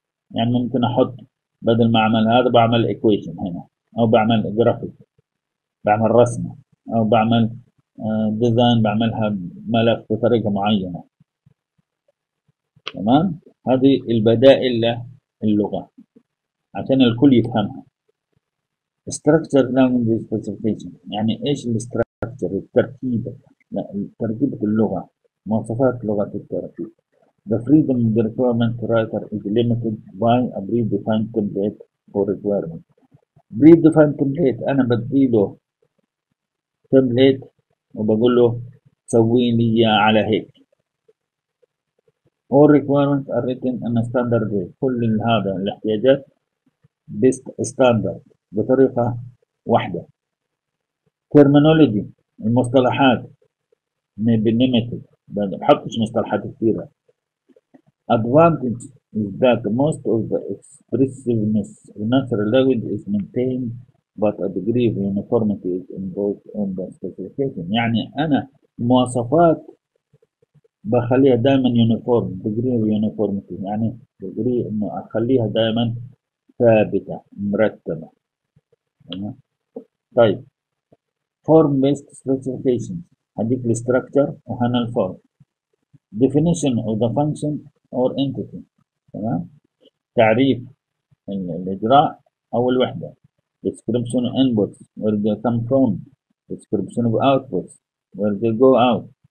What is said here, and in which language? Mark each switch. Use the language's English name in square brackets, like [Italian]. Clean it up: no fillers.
[Arabic] يعني ممكن أحط بدل ما اعمل هذا بعمل equation هنا، او بعمل graphic، بعمل رسمة، او بعمل design بعملها ملف بطريقة معينة. تمام. هذه البدائل للغة عشان الكل يفهمها. [English] structure language specification [Arabic] يعني ايش الستركتر التركيبة تركيبة اللغة مواصفات لغة التركيب. [English] The freedom of the requirement writer is limited by a predefined template for requirement. Predefined template [Arabic] أنا بديله template وبقول له سوي لي على هيك. [English] All requirements are written in a standard way. [Arabic] كل هذا الاحتياجات based standard بطريقة واحدة. Terminology المصطلحات may be limited. ما بحطش مصطلحات كثيرة. [English] Advantage is that most of the expressiveness in natural language is maintained, but a degree of uniformity is imposed on the specification. [Arabic] يعني أنا مواصفات بخليها دائما uniform, [English] degree of uniformity, [Arabic] يعني degree إنه أخليها دائما ثابتة مرتبة. طيب [English] form based specification, [Arabic] هديك ال [English] structure [Arabic] وهنا ال [English] form, definition of the function or entity, [Arabic] تمام, تعريف الإجراء أو الوحدة, [English] description of inputs, where they come from, description of outputs, where they go out,